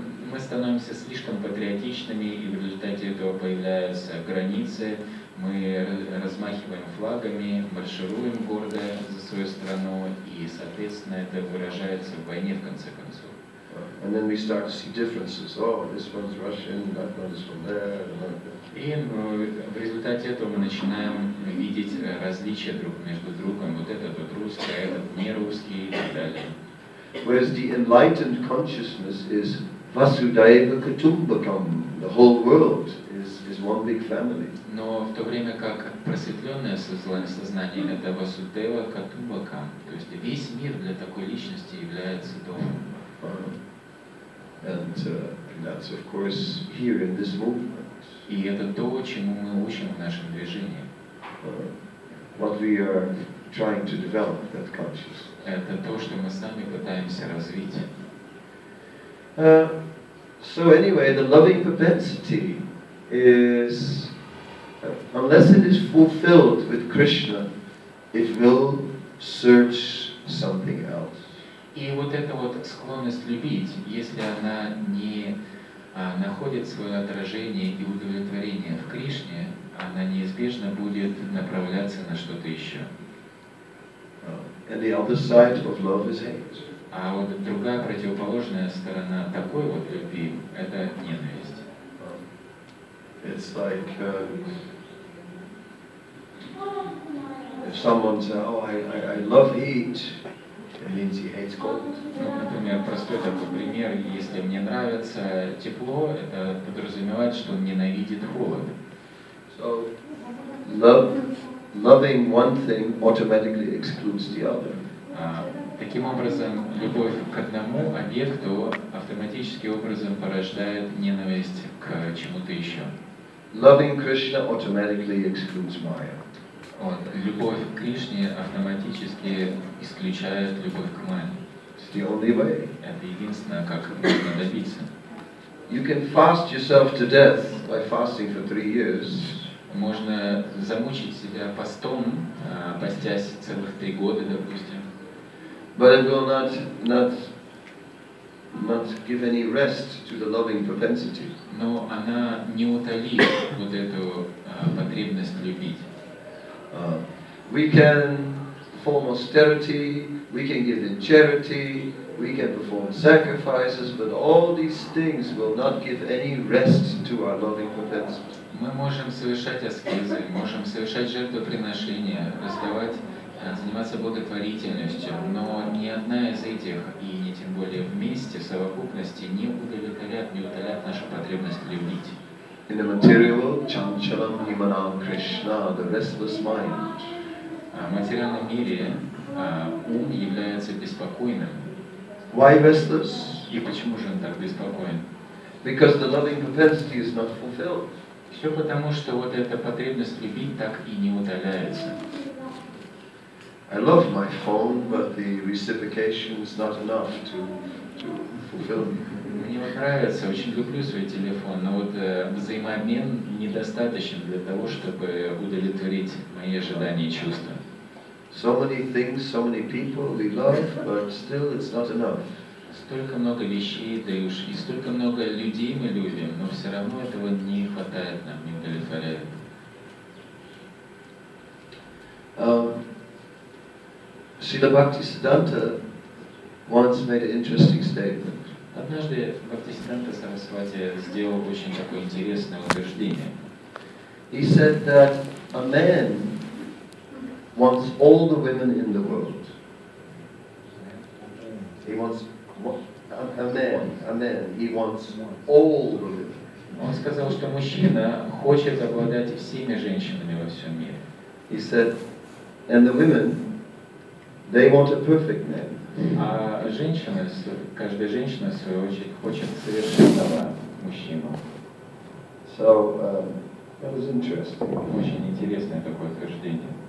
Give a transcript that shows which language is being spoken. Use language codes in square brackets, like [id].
[ru] Мы становимся слишком патриотичными, и в результате этого появляются границы. Мы размахиваем флагами, маршируем гордо за свою страну, и, соответственно, это выражается в войне в конце концов. [en] And then we start to see differences. Oh, this one's Russian, that one's from there. And [ru] в результате этого мы начинаем видеть различия друг между другом. Вот этот вот русский, этот не русский и так далее. [en] Whereas the enlightened consciousness is Vasudeva Kutumbakam. The whole world is one big family. [ru] Но в то время как просветленное сознание это Vasudeva Kutumbakam. То есть весь мир для такой личности является домом. [en] And that's of course here in this movement. [ru] И это то, чему мы учим в нашем движении. [en] What we are trying to develop that consciousness. [ru] Это то, что мы сами пытаемся развить. [en] So anyway, the loving propensity is, unless it is fulfilled with Krishna, it will search something else. [ru] И вот эта вот склонность любить, если она не находит свое отражение и удовлетворение в Кришне, она неизбежно будет направляться на что-то еще. [en] And the other side of love is hate. [ru] А вот другая противоположная сторона такой вот любви – это ненависть. [en] It's like, if someone says, "Oh, I love heat," Линдзи hates cold. [ru] Ну, например, простой такой пример, если мне нравится тепло, это подразумевает, что он ненавидит холод. [en] So, loving one thing automatically excludes the other. [ru] Таким образом, любовь к одному объекту автоматически образом порождает ненависть к чему-то еще. [en] Loving Krishna automatically excludes Maya. [ru] Вот, любовь к Кришне автоматически исключает любовь к Майе. [en] It's the only way. [ru] Это единственное, как можно добиться. [en] You can fast yourself to death by fasting for 3 years. [ru] Можно замучить себя постом, постясь целых 3 года, допустим. [en] But it will not give any rest to the loving propensity. [ru] Но она не утолит вот эту потребность любить. [en] We can perform austerity, we can give in charity, we can perform sacrifices, but all these things will not give any rest to our loving propensity. [ru] Мы можем совершать аскезы, можем совершать жертвоприношения, заниматься благотворительностью, но ни одна из этих, и не тем более вместе, в совокупности, не утолят нашу потребность любить. В материальном мире ум является беспокойным. [en] Why restless? [ru] И почему же он так беспокоен? [en] Because the loving propensity is not fulfilled. [ru] Все потому, что вот эта потребность любить так и не удаляется. [en] I love my phone, but the reciprocation is not enough to fulfill me. [ru] Мне нравится, очень люблю свой телефон, но вот взаимообмен недостаточен для того, чтобы удовлетворить мои ожидания и чувства. [en] So many things, so many people we love, but still it's not enough. [ru] Столько много вещей даешь, и столько много людей мы любим, но все равно этого не хватает нам, не удовлетворяет. [en] Srila Bhaktisiddhanta once made an interesting statement. [ru] Однажды Бхактисиддханта Сарасвати сделал очень такое интересное утверждение. [en] He said that a man wants all the women in the world. He wants [ru] Он сказал, что мужчина хочет обладать всеми женщинами во всем мире. [en] He said, and the women, they want a perfect man. [ru] А женщина, каждая женщина в свою очередь хочет совершенного мужчину. [en] So that was interesting. [ru] Очень интересное такое утверждение.